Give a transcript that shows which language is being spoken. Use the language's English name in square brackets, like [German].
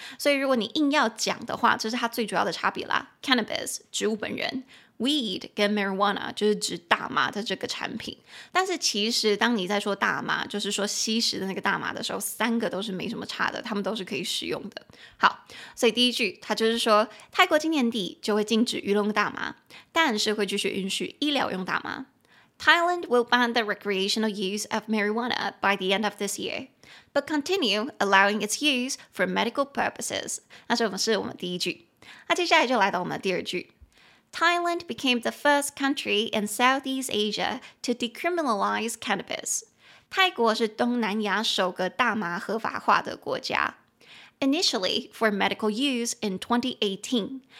[Chinese] 所以如果你硬要讲的话，这是它最主要的差别啦， cannabis 植物本人， weed 跟 marijuana 就是指大麻的这个产品。但是其实当你在说大麻就是说吸食的那个大麻的时候，三个都是没什么差的，他们都是可以使用的。好，所以第一句它就是说泰国今年底就会禁止娱乐用大麻，但是会继续允许医疗用大麻。 [English] Thailand will ban the recreational use of marijuana by the end of this year, but continue allowing its use for medical purposes. [Chinese] 那这是我们第一句。那接下来就来到我们第二句。 [English] Thailand became the first country in Southeast Asia to decriminalize cannabis. [Chinese] 泰国是东南亚首个大麻合法化的国家。 [English] Initially for medical use in 2018.